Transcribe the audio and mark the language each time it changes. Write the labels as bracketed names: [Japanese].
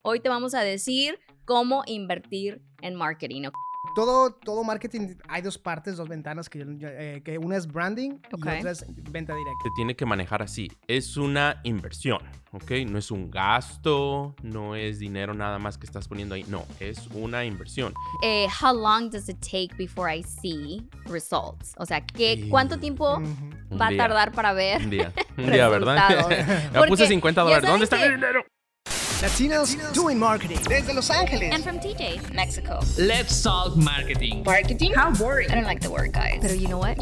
[Spanish] hoy te vamos a decir cómo invertir en marketing, ¿ok? Todo marketing, hay dos partes, dos ventanas, que una es branding, okay, y otra es venta directa. Se tiene que manejar así. Es una inversión, ¿ok? No es un gasto, no es dinero nada más que estás poniendo ahí. No, es una inversión. [English] How long does it take before I see results? [Spanish] O sea, ¿qué, ¿cuánto tiempo va a tardar para ver un día, ¿verdad? Ya puse $50. ¿Dónde está mi dinero? [English] Latinos doing marketing. [Spanish] Desde Los Ángeles. [English] And from TJ, Mexico. Let's talk marketing. Marketing? How boring. I don't like the word, guys. But you know what?